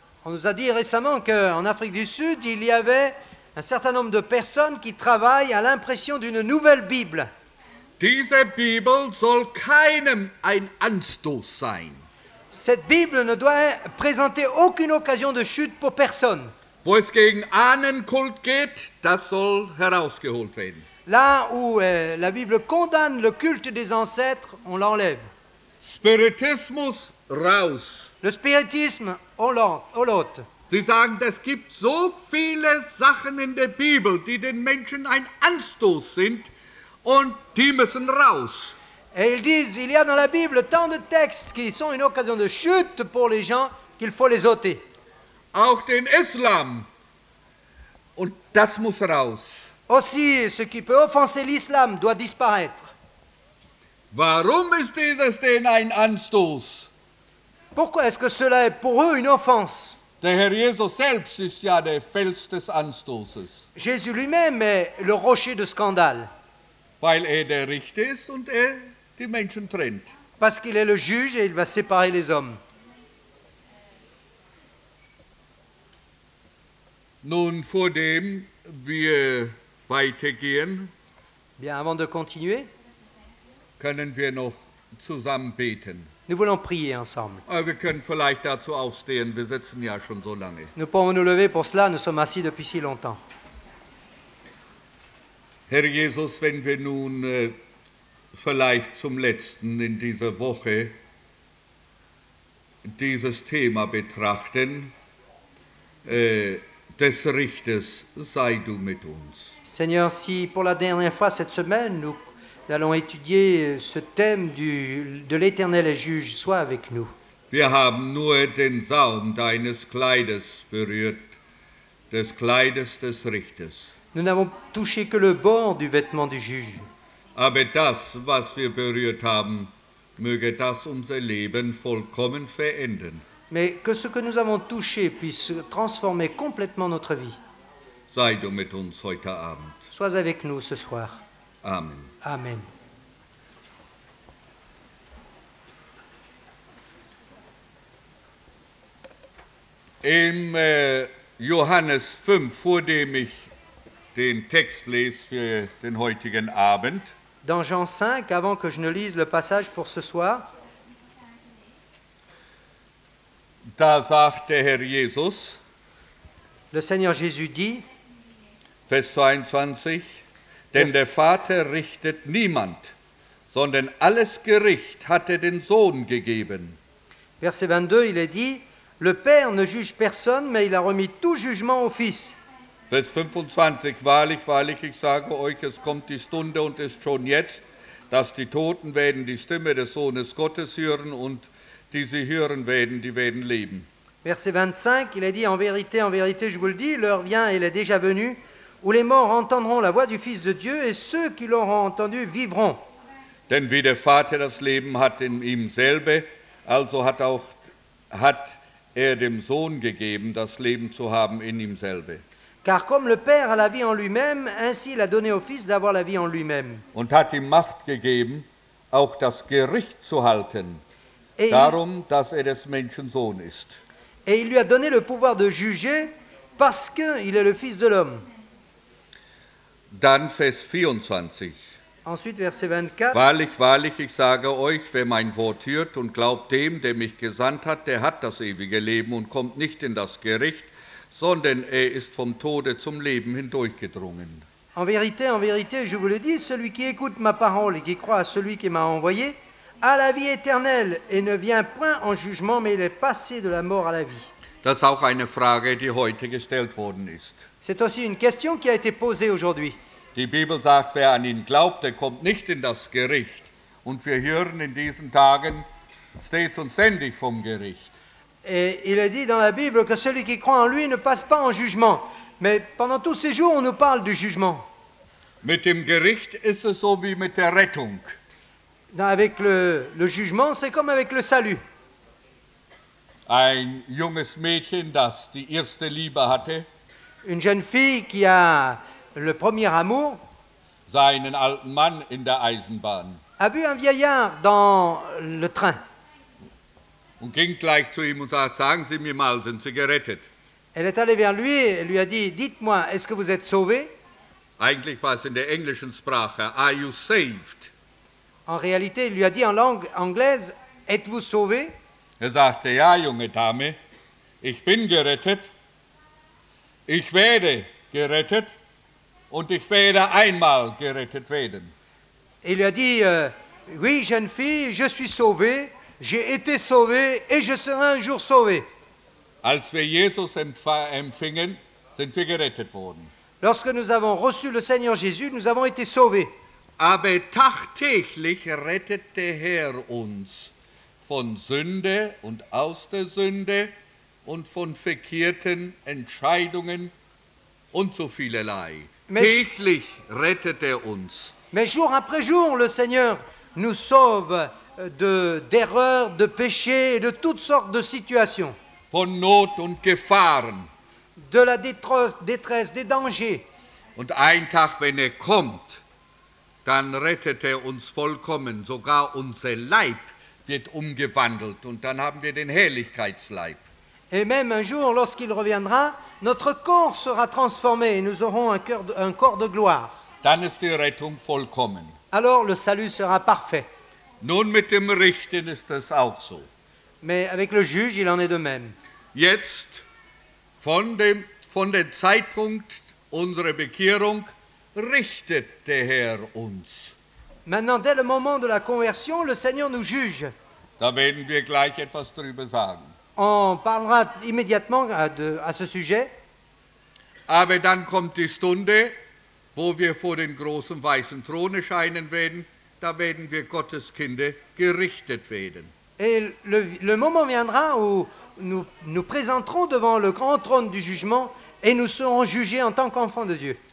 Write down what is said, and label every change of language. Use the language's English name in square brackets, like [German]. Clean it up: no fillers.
[French] On nous a dit récemment qu'en Afrique du Sud, il y avait un certain nombre de personnes qui travaillent à l'impression d'une nouvelle Bible. [German] Diese Bibel soll keinem ein Anstoß sein. [French] Cette Bible ne doit présenter aucune occasion de chute pour personne. [German] Wo es gegen Ahnenkult geht, das soll herausgeholt werden. [French] Là où la Bible condamne le culte des ancêtres, on l'enlève. [German] Spiritismus raus. [French] Le spiritisme, on l'ôte. [German] Sie sagen, es gibt so viele Sachen in der Bibel, die den Menschen ein Anstoß sind, und die müssen raus. [French] Et ils disent, il y a dans la Bible tant de textes qui sont une occasion de chute pour les gens qu'il faut les ôter. [German] Auch den Islam. Und das muss raus. [French] Aussi, ce qui peut offenser l'islam doit disparaître. [German] Warum ist dieses denn ein Anstoß? [French] Pourquoi est-ce que cela est pour eux une offense? [German] Der Herr Jesus selbst ist ja der Fels des Anstoßes. [French] Jésus lui-même est le rocher de scandale. [German] Weil der Richter ist und die Menschen trennt. [French] Parce qu'il est le juge et il va séparer les hommes. [German] Nun, vor dem wir weitergehen, [French] bien, avant de continuer, [German] können wir noch zusammen beten. [French] Nous voulons prier ensemble. [German] Wir können vielleicht dazu aufstehen, wir sitzen ja schon so lange. [French] Nous pouvons nous lever pour cela, nous sommes assis depuis si longtemps. [German] Herr Jesus, wenn wir nun vielleicht zum letzten in dieser Woche dieses Thema betrachten, des Richters, sei du mit uns. [French] Seigneur, si pour la dernière fois cette semaine nous allons étudier ce thème de l'Éternel et juge, sois avec nous. [German] Wir haben nur den Saum deines Kleides berührt, des Kleides des Richters. [French] Nous n'avons touché que le bord du vêtement du juge. [German] Aber das, was wir berührt haben, möge das unser Leben vollkommen verändern. [French] Mais que ce que nous avons touché puisse transformer complètement notre vie. [German] Sei du mit uns heute Abend. [French] Sois avec nous ce soir. [German] Amen. [French] Amen. [German] Im Johannes 5, vor dem ich den Text lese für den heutigen Abend. [French] Dans Jean 5, avant que je ne lise le passage pour ce soir. [German] Da sagt der Herr Jesus. [French] Le Seigneur Jésus dit. [German] Vers 22. Denn der Vater richtet niemand, sondern alles Gericht hat er den Sohn gegeben. [French] Verset 22, il est dit. Le Père ne juge personne, mais il a remis tout jugement au Fils. [German] Vers 25, wahrlich, wahrlich, ich sage euch, es kommt die Stunde und ist schon jetzt, dass die Toten werden die Stimme des Sohnes Gottes hören und die sie hören werden, die werden leben. [French] Verset 25, il est dit, en vérité, je vous le dis, l'heure vient, elle est déjà venue, où les morts entendront la voix du Fils de Dieu et ceux qui l'auront entendu vivront. [German] Denn wie der Vater das Leben hat in ihm selber, also hat auch, hat er dem Sohn gegeben, das Leben zu haben in ihm selber. [French] Car comme le Père a la vie en lui-même, ainsi il a donné au Fils d'avoir la vie en lui-même. [German] Und hat ihm Macht gegeben, auch das Gericht zu halten, [French] et [German] darum, [French] il... [German] dass er des Menschen Sohn ist. [French] Et il lui a donné le pouvoir de juger, parce qu'il est le Fils de l'homme. [German] Dann Vers 24. [French] Ensuite, verset 24. [German] Wahrlich, wahrlich, ich sage euch, wer mein Wort hört und glaubt dem, der mich gesandt hat, der hat das ewige Leben und kommt nicht in das Gericht, sondern er ist vom Tode zum Leben hindurchgedrungen. [French] En vérité, je vous le dis, celui qui écoute ma parole et qui croit à celui qui m'a envoyé, a la vie éternelle et ne vient point en jugement, mais il est passé de la mort à la vie. [German] Das ist auch eine Frage, die heute gestellt worden ist. [French] C'est aussi une question qui a été posée aujourd'hui. [German] Die Bibel sagt, wer an ihn glaubt, der kommt nicht in das Gericht. Und wir hören in diesen Tagen stets und ständig vom Gericht. [French] Et il est dit dans la Bible que celui qui croit en lui ne passe pas en jugement. Mais pendant tous ces jours, on nous parle du jugement. [German] Mit dem Gericht ist es so wie mit der Rettung. [French] Non, avec le jugement, c'est comme avec le salut. [German] Ein junges Mädchen, das die erste Liebe hatte. [French] Une jeune fille qui a le premier amour. [German] Seinen alten Mann in der Eisenbahn. [French] A vu un vieillard dans le train. [German] Und ging gleich zu ihm und sagte, sagen Sie mir mal, sind Sie gerettet? [French] Elle est allée vers lui et lui a dit, dites-moi, est-ce que vous êtes sauvé? [German] Eigentlich war es in der englischen Sprache, [English] are you saved? [French] En réalité, il lui a dit en langue anglaise, êtes-vous sauvé? [German] Er sagte, ja, junge Dame, ich bin gerettet, ich werde gerettet und ich werde einmal gerettet werden. [French] Il lui a dit, oui, jeune fille, je suis sauvé. J'ai été sauvé et je serai un jour sauvé. [German] Als wir Jesus empfingen, sind wir gerettet worden. [French] Lorsque nous avons reçu le Seigneur Jésus, nous avons été sauvés. [German] Aber tagtäglich rettet der Herr uns von Sünde und aus der Sünde und von verkehrten Entscheidungen und so vielerlei. Täglich rettet er uns. [French] Mais jour après jour, le Seigneur nous sauve d'erreurs, de péchés et de toutes sortes de situations. [German] Von Not und Gefahren. [French] De la détresse, des dangers. [German] Und ein Tag, wenn kommt, dann rettet uns vollkommen. Sogar unser Leib wird umgewandelt und dann haben wir den Herrlichkeitsleib. [French] Et même un jour, lorsqu'il reviendra, notre corps sera transformé et nous aurons un corps de gloire. [German] Dann ist die Rettung vollkommen. [French] Alors le salut sera parfait. [German] Nun mit dem Richten ist das auch so. [French] Mais avec le juge, il en est de même. [German] Jetzt, von dem Zeitpunkt unserer Bekehrung, richtet der Herr uns. [French] Maintenant, dès le moment de la conversion, le Seigneur nous juge. [German] Da werden wir gleich etwas drüber sagen. [French] On parlera immédiatement à ce sujet. [German] Aber dann kommt die Stunde, wo wir vor den großen weißen Thron erscheinen werden. Da werden wir Gottes Kinder gerichtet werden. [French] Et le moment viendra où nous nous présenterons devant le grand trône du jugement et nous serons jugés en tant qu'enfants de Dieu.